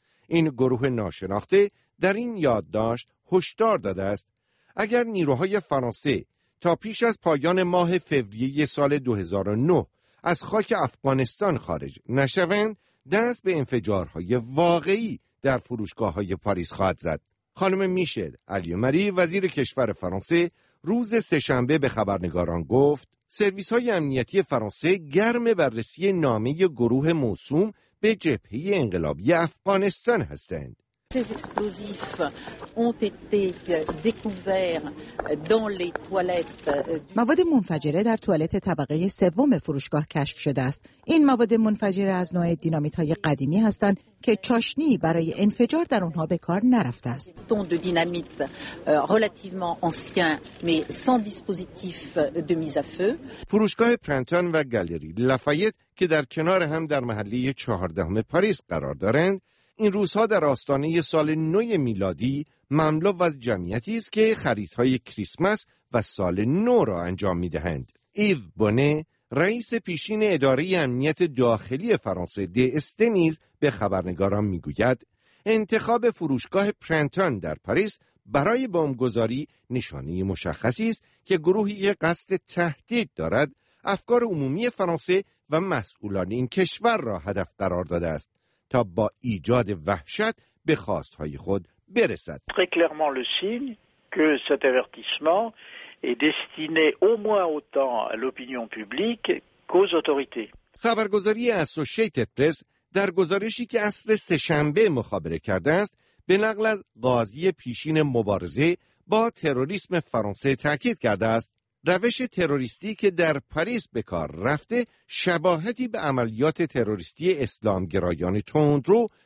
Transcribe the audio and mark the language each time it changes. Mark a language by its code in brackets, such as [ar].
[fa] این گروه ناشناخته در این یادداشت هشدار داده است: اگر نیروهای فرانسه تا پیش از پایان ماه فوریه سال 2009 از خاک افغانستان خارج نشوند، دست به انفجارهای واقعی در فروشگاه‌های پاریس خواهد زد. خانم میشل علی مری، وزیر کشور فرانسه، روز سه‌شنبه به خبرنگاران گفت سرویس‌های امنیتی فرانسه گرم بررسی نامه گروه موسوم به جبهه انقلابی افغانستان هستند. [fr] Ces explosifs ont été découverts dans les toilettes. [fa] مواد منفجره در توالت طبقه سوم فروشگاه کشف شده است. این مواد منفجره از نوع دینامیت‌های قدیمی هستند که چاشنی برای انفجار در آنها به کار نرفته است. توند دینامیت [fr] relativement ancien mais sans dispositif de mise à feu. [fa] فروشگاه پرانتون و گالری لافایت که در کنار هم در محله 14 پاریس قرار دارند، این روزها در آستانه سال نو میلادی مملو از جمعیتی است که خریدهای کریسمس و سال نو را انجام می‌دهند. ایو بونه، رئیس پیشین اداره امنیت داخلی فرانسه دی استنیز، به خبرنگاران می‌گوید انتخاب فروشگاه پرانتون در پاریس برای بمب‌گذاری نشانه مشخصی است که گروهی قصد تهدید دارد افکار عمومی فرانسه و مسئولان این کشور را هدف قرار داده است تا با ایجاد وحشت به خواست‌های خود برسد. [fr] Très clairement le signe que cet avertissement est destiné au moins autant à l'opinion publique qu'aux autorités. [fa] خبرگزاری اسوسییتد پرس در گزارشی که عصر سه‌شنبه مخابره کرده است، به نقل از قاضی پیشین مبارزه با تروریسم فرانسه تاکید کرده است روش تروریستی که در پاریس به کار رفته شباهتی به عملیات تروریستی اسلامگرایان تندرو